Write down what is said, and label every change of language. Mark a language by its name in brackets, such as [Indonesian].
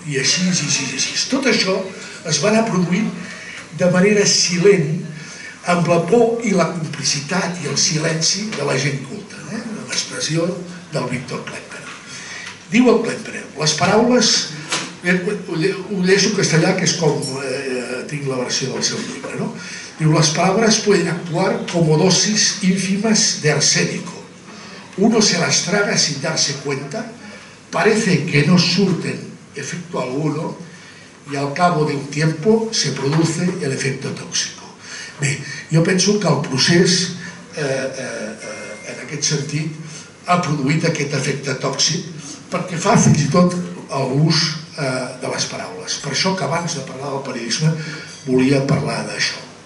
[Catalan] I així, així, així. Tot això es va anar produint de manera silent, amb la por i la complicitat i el silenci de la gent culta, de l'expressió del Víctor Klemperer. Diu el Klemperer, les paraules, ho llegeixo castellà, que és com tinc la versió del seu llibre, no? Diu, les paraules [Spanish] pueden actuar como dosis ínfimas de arsénico. Uno se las traga sin darse cuenta, parece que no [Catalan] surten [Spanish] efecto alguno y al cabo de un tiempo se produce el efecto tóxico. [Catalan] Bé, jo penso que el procés, en aquest sentit, ha produït aquest efecte tòxic perquè fa fins i tot l'ús de les paraules. Per això que abans de parlar del periodisme volia parlar d'això.